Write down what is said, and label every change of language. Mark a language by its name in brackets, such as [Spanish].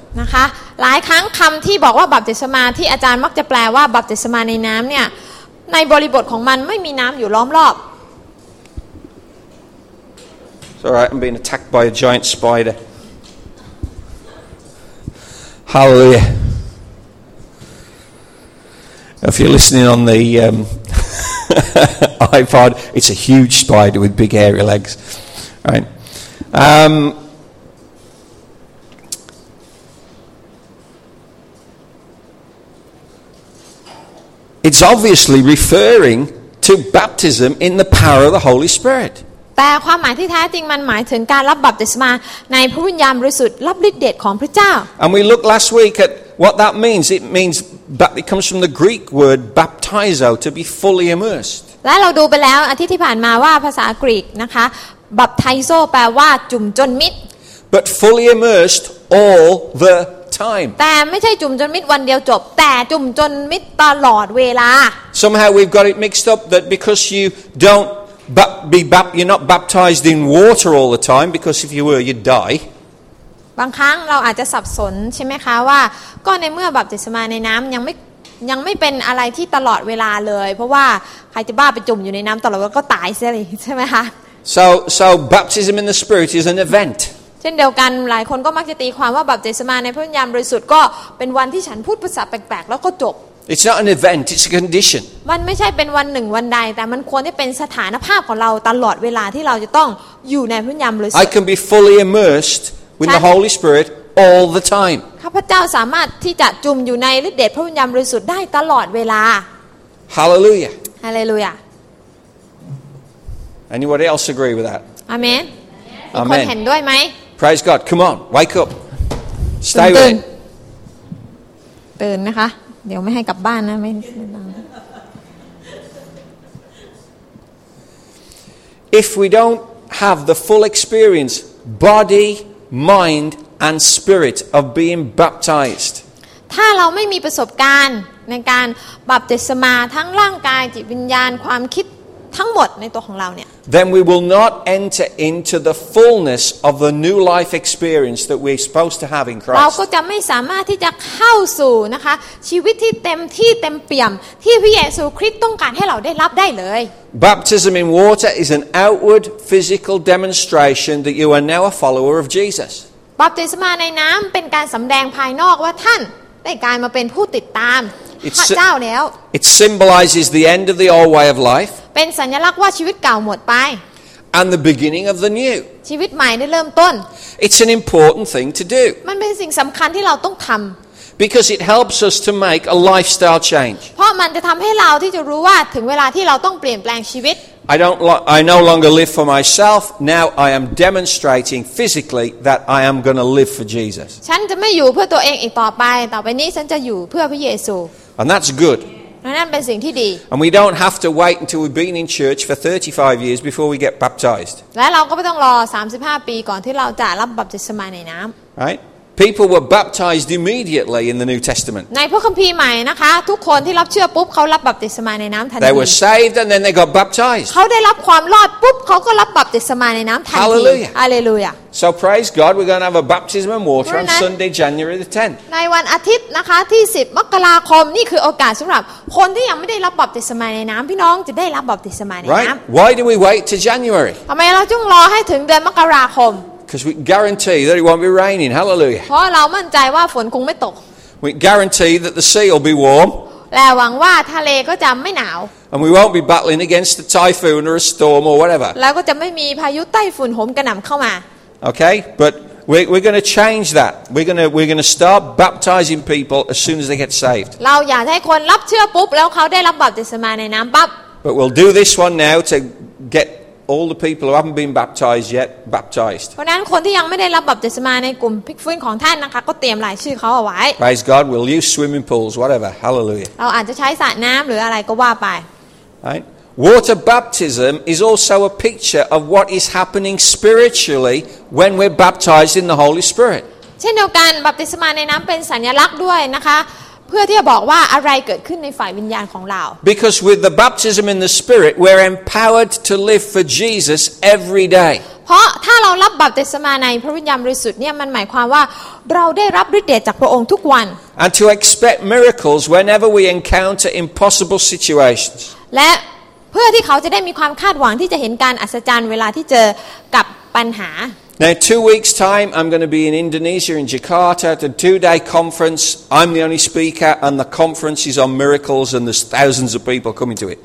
[Thai] นะคะหลายครั้งคำที่บอกว่าบัพติศมาที่อาจารย์มักจะแปลว่าบัพติศมาในน้ำเนี่ยในบริบทของมันไม่มีน้ำอยู่ล้อมรอบ [English] Sorry, I'm being attacked by a giant spider. Hallelujah. If you're listening on the iPod, it's a huge spider with big hairy legs. It's obviously referring to baptism in the power of the Holy Spirit. [Thai] แต่ความหมายที่แท้จริงมันหมายถึงการรับบัพติศมาในพระวิญญาณบริสุทธิ์รับฤทธิ์เดชของพระเจ้า [English] And we looked last week at what that means. It means that it comes from the Greek word baptizo, to be fully immersed. [Thai] และเราดูไปแล้วอาทิตย์ที่ผ่านมาว่าภาษากรีกนะคะบัพติโซแปลว่าจุ่มจนมิด [English] But fully immersed all the time [Thai] แต่ไม่ใช่จุ่มจนมิดวันเดียวจบแต่จุ่มจนมิดตลอดเวลา [English] Somehow we've got it mixed up that because you don't you're not baptized in water all the time because if you were you'd die [Thai] บางครั้งเราอาจจะสับสนใช่ไหมคะว่าก็ในเมื่อบัพติศมาในน้ำยังไม่เป็นอะไรที่ตลอดเวลาเลยเพราะว่าใครจะบ้าไปจุ่มอยู่ในน้ำตลอดก็ตายเสียเลยใช่ไหมคะ [English] So baptism in the Spirit is an event. [Thai] เช่นเดียวกันหลายคนก็มักจะตีความว่าบัพติศมาในพระวิญญาณบริสุทธิ์ก็เป็นวันที่ฉันพูดภาษาแปลกๆแล้วก็จบ [English] It's not an event. It's a condition. [Thai] มันไม่ใช่เป็นวันหนึ่งวันใดแต่มันควรที่เป็นสถานภาพของเราตลอดเวลาที่เราจะต้องอยู่ในพระวิญญาณบริสุทธิ์ [English] I can be fully immersed with the Holy Spirit all the time. [Thai] ข้าพเจ้าสามารถที่จะจุ่มอยู่ในฤทธิ์เดชพระวิญญาณบริสุทธิ์ได้ตลอดเวลา [English] Hallelujah. Hallelujah. Anybody else agree with that? Amen. Amen. [Thai] เห็นด้วยไหม [English] Praise God. Come on, wake up. Stay with it. [Thai] ตื่นนะคะเดี๋ยวไม่ให้กลับบ้านนะไม่ [English] If we don't have the full experience, body, mind, and spirit of being baptized, [Thai] ถ้าเราไม่มีประสบการณ์ในการบัพติศมาทั้งร่างกายจิตวิญญาณความคิดทั้งหมดในตัวของเราเนี่ย [English] Then we will not enter into the fullness of the new life experience that we're supposed to have in Christ [Thai] เราก็จะไม่สามารถที่จะเข้าสู่นะคะชีวิตที่เต็มที่เต็มเปี่ยมที่พระเยซูคริสต์ต้องการให้เราได้รับได้เลย [English] Baptism in water is an outward physical demonstration that you are now a follower of Jesus [Thai] บัพติศมาในน้ำเป็นการสำแดงภายนอกว่าท่านได้กลายมาเป็นผู้ติดตามพระเจ้าแล้ว [English] It symbolizes the end of the old way of life [Thai] เป็นสัญลักษณ์ว่าชีวิตเก่าหมดไป [English] And the beginning of the new [Thai] ชีวิตใหม่ได้เริ่มต้น [English] It's an important thing to do [Thai] มันเป็นสิ่งสำคัญที่เราต้องทำ [English] Because it helps us to make a lifestyle change [Thai] เพราะมันจะทำให้เราที่จะรู้ว่าถึงเวลาที่เราต้องเปลี่ยนแปลงชีวิต [English] I no longer live for myself now I am demonstrating physically that I am going to live for Jesus [Thai] ฉันจะไม่อยู่เพื่อตัวเองอีกต่อไปต่อไปนี้ฉันจะอยู่เพื่อพระเยซู [English] And that's good [Thai] นั่นเป็นสิ่งที่ดี [English] And we don't have to wait until we've been in church for 35 years before we get baptized. [Thai] และเราก็ไม่ต้องรอ35ปีก่อนที่เราจะรับบัพติศมาในน้ำ [English] Right? People were baptized immediately in the New Testament. [Thai] ในพระคัมภีร์ใหม่นะคะทุกคนที่รับเชื่อปุ๊บเขารับบัพติศมาในน้ำทันที [English] They were saved and then they got baptized. [Thai] เขาได้รับความรอดปุ๊บเขาก็รับบัพติศมาในน้ำทันที [English] Hallelujah. Hallelujah. So praise God, we're going to have a baptism in water on Sunday, January the 10th. [Thai] ในวันอาทิตย์นะคะที่10มกราคมนี่คือโอกาสสำหรับคนที่ยังไม่ได้รับบัพติศมาในน้ำพี่น้องจะได้รับบัพติศมาในน้ำ [English] Right? Why do we wait to January? [Thai] ทำไมเราจึงรอให้ถึงเดือนมกราคม [English] Because we guarantee that it won't be raining. Hallelujah. [Thai] เพราะเรามั่นใจว่าฝนคงไม่ตก [English] We guarantee that the sea will be warm. [Thai] และหวังว่าทะเลก็จะไม่หนาว [English] And we won't be battling against a typhoon or a storm or whatever. [Thai] แล้วก็จะไม่มีพายุไต้ฝุ่นโหมกระหน่ำเข้ามา [English] Okay, but We're going to change that. We're going to start baptizing people as soon as they get saved. [Thai] เราอยากให้คนรับเชื่อปุ๊บแล้วเขาได้รับบัพติศมาในน้ำบัพ [English] But we'll do this one now to get all the people who haven't been baptized yet baptized. [Thai] เพราะนั้นคนที่ยังไม่ได้รับบัพติศมาในกลุ่มพิกฟื้นของท่านนะคะก็เตรียมรายชื่อเขาเอาไว้ [English] Praise God. We'll use swimming pools, whatever. Hallelujah. [Thai] เราอาจจะใช้สระน้ำหรืออะไรก็ว่าไป [English] Right. Water baptism is also a picture of what is happening spiritually when we're baptized in the Holy Spirit. [Thai] เช่นเดียวกันบัพติศมาในน้ำเป็นสัญลักษณ์ด้วยนะคะเพื่อที่จะบอกว่าอะไรเกิดขึ้นในฝ่ายวิญญาณของเรา [English] Because with the baptism in the Spirit, we're empowered to live for Jesus every day. [Thai] เพราะถ้าเรารับบัพติศมาในพระวิญญาณบริสุทธิ์เนี่ยมันหมายความว่าเราได้รับฤทธิ์เดชจากพระองค์ทุกวัน [English] And to expect miracles whenever we encounter impossible situations. [Thai] และเพื่อที่เขาจะได้มีความคาดหวังที่จะเห็นการอัศจรรย์เวลาที่เจอกับปัญหา [English] Now 2 weeks time I'm going to be in Indonesia in Jakarta at a 2-day conference I'm the only speaker and the conference is on miracles and there's thousands of people coming to it